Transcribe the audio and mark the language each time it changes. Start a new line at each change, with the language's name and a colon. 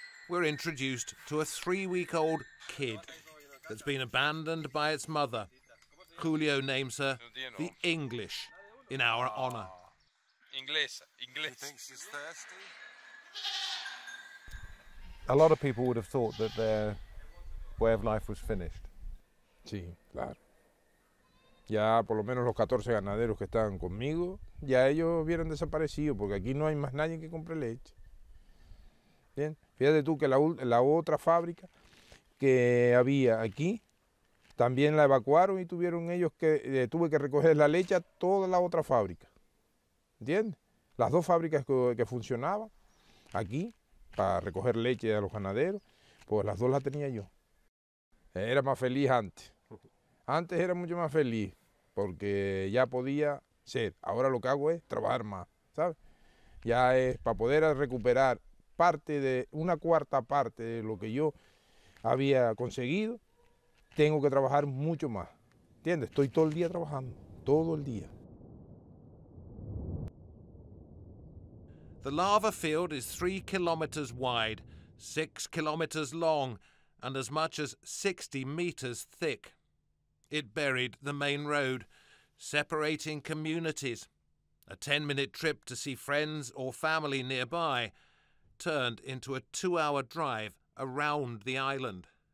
English: We're introduced to a three-week-old kid that's been abandoned by its mother. Julio names her the English, in our honor. English. He thinks he's thirsty. A lot of people would have thought that their way of life was finished.
Spanish: Sí, claro. Ya por lo menos los 14 ganaderos que estaban conmigo, ya ellos hubieran desaparecido, porque aquí no hay más nadie que compre leche. Bien. Fíjate tú que la otra fábrica que había aquí, también la evacuaron y tuvieron ellos que, tuve que recoger la leche a toda la otra fábrica. ¿Entiendes? Las dos fábricas que funcionaban aquí para recoger leche a los ganaderos, pues las dos las tenía yo. Era más feliz antes. Antes era mucho más feliz porque ya podía ser. Ahora lo que hago es trabajar más, ¿sabes? Ya es para poder recuperar parte de una cuarta parte de lo que yo había conseguido, tengo que trabajar mucho más. ¿Entiendes? Estoy todo el día trabajando, todo el día.
English: The lava field is 3 kilometers wide, 6 kilometers long, and as much as 60 meters thick. It buried the main road, separating communities. A 10-minute trip to see friends or family nearby turned into a 2-hour drive around the island.